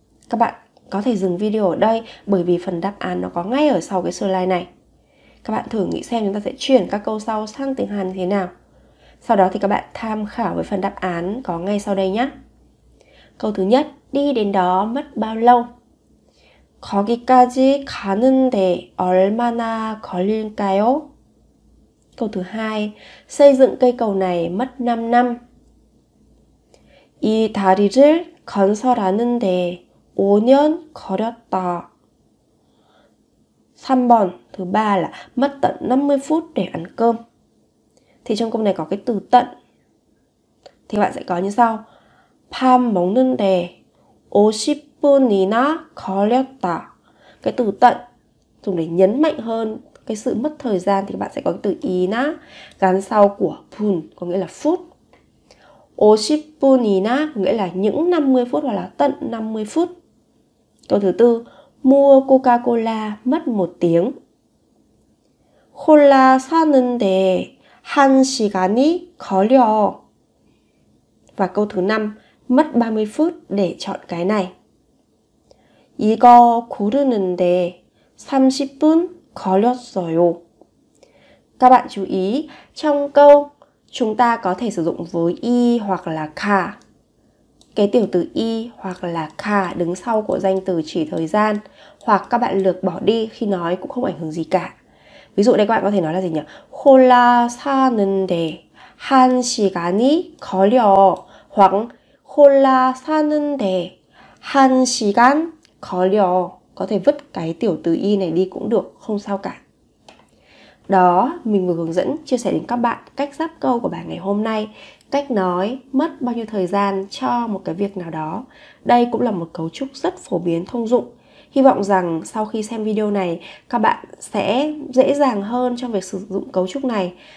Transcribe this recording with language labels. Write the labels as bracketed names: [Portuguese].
[Vietnamese] Các bạn có thể dừng video ở đây bởi vì phần đáp án nó có ngay ở sau cái slide này. Các bạn thử nghĩ xem chúng ta sẽ chuyển các câu sau sang tiếng Hàn như thế nào. Sau đó thì các bạn tham khảo với phần đáp án có ngay sau đây nhé. Câu thứ nhất, đi đến đó mất bao lâu? [Korean] 거기까지 가는데 얼마나 걸릴까요? [Vietnamese] Câu thứ hai, xây dựng cây cầu này mất 5 năm. [Korean] 이 다리를 건설하는데 5년 걸렸다. [Vietnamese] 3번, thứ ba là mất tận 50 phút để ăn cơm. Thì trong câu này có cái từ tận. Thì các bạn sẽ có như sau. [Korean] 밥 먹는데 50분이나 걸렸다. [Vietnamese] Cái từ tận dùng để nhấn mạnh hơn cái sự mất thời gian thì các bạn sẽ có cái từ 이나 gắn sau của 분 có nghĩa là phút. 50분이나 nghĩa là những 50 phút hoặc là tận 50 phút. Câu thứ tư, mua Coca-Cola mất 1 tiếng. [Korean] 콜라 사는데 한 시간이 걸려. [Vietnamese] Và câu thứ 5, mất 30 phút để chọn cái này. [Korean] 이거 고르는데 30분 걸렸어요. [Vietnamese] Các bạn chú ý, trong câu chúng ta có thể sử dụng với y hoặc là ka. Cái tiểu từ y hoặc là ka đứng sau của danh từ chỉ thời gian. Hoặc các bạn lược bỏ đi khi nói cũng không ảnh hưởng gì cả. Ví dụ đây các bạn có thể nói là gì nhỉ? [Korean] 콜라 사는데 한 시간이 걸려. [Vietnamese] Hoặc [Korean] 콜라 사는데 한 시간 걸려. [Vietnamese] Có thể vứt cái tiểu từ y này đi cũng được, không sao cả. Đó, mình vừa hướng dẫn, chia sẻ đến các bạn cách ráp câu của bài ngày hôm nay. Cách nói mất bao nhiêu thời gian cho một cái việc nào đó. Đây cũng là một cấu trúc rất phổ biến thông dụng. Hy vọng rằng sau khi xem video này, các bạn sẽ dễ dàng hơn trong việc sử dụng cấu trúc này.